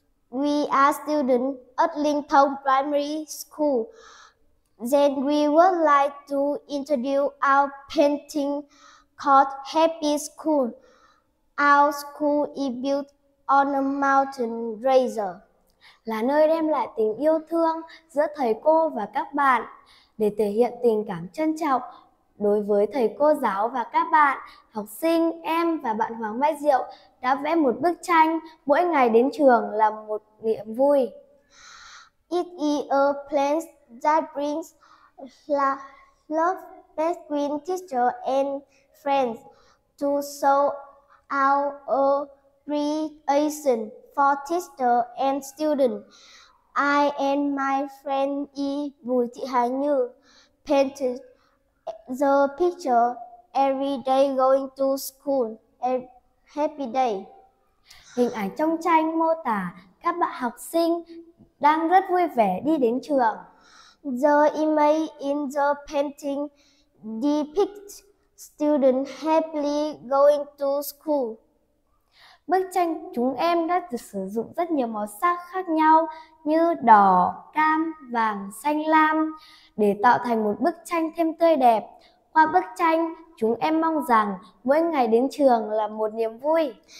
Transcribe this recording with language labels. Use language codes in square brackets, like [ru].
[en] We are students at Linh Thông Primary School. Then we would like to introduce our painting called Happy School. Our school is built on a mountain range. [vi] Là nơi đem lại tình yêu thương giữa thầy cô và các bạn để thể hiện tình cảm trân trọng đối với thầy cô giáo và các bạn, học sinh, em và bạn Hoàng Mai Diệu đã vẽ một bức tranh mỗi ngày đến trường là một niềm vui. [en] It is a plan that brings love between teacher and friends to show our appreciation for teacher and student. I and my friend E. Bùi Thị Hà Như painted the picture every day going to school, a happy day. [vi] Hình ảnh trong tranh mô tả các bạn học sinh đang rất vui vẻ đi đến trường. [en] The image in the painting depicts students happily going to school. [vi] Bức tranh chúng em đã được sử dụng rất nhiều màu sắc khác nhau như đỏ, cam, vàng, xanh lam để tạo thành một bức tranh thêm tươi đẹp. Qua bức tranh, chúng em mong rằng mỗi ngày đến trường là một niềm vui.